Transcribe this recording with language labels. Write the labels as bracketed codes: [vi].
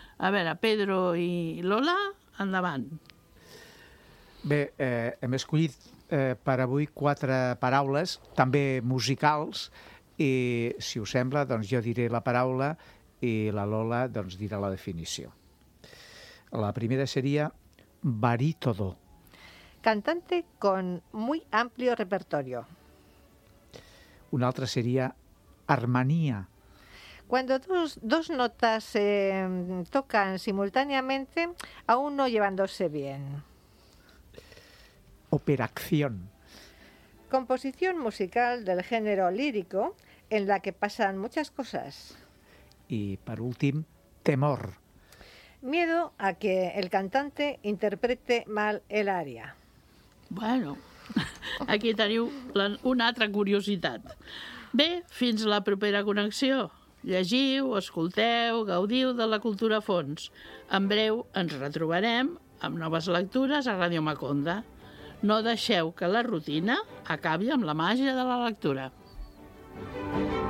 [ca] A veure, Pedro i Lola, endavant. Bé, hem escollit per avui quatre paraules, també musicals, i si us sembla, doncs jo diré la paraula i la Lola doncs dirà la definició. La primera seria barítodo. [es] Cantante con muy amplio repertorio. [ca] Una altra seria armonía. [es] Cuando dos notas tocan simultáneamente, aún no llevándose bien. Operación. Composición musical del género lírico en la que pasan muchas cosas. Y por último, temor. Miedo a que el cantante interprete mal el aria. [ca] Bueno, aquí teniu una altra curiositat. Bé, fins a la propera connexió. Llegiu, escolteu, gaudiu de la cultura fons. En breu ens retrobarem amb noves lectures a Ràdio Maconda. No deixeu que la rutina acabi amb la màgia de la lectura. [en] Thank you.